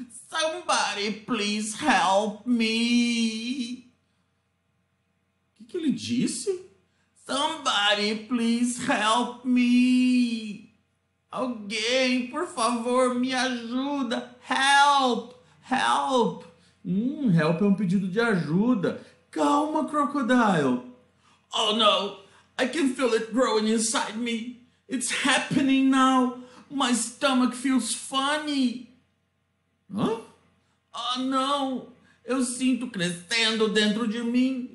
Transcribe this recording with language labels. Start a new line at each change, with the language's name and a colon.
English: Somebody please help me.
Portuguese: O que que ele disse?
English: Somebody please help me.
Portuguese: Alguém, por favor, me ajuda.
English: Help, help.
Portuguese: Help é um pedido de ajuda. Calma, Crocodile.
English: Oh no, I can feel it growing inside me. It's happening now. My stomach feels funny.
Portuguese: Oh no, eu sinto crescendo dentro de mim.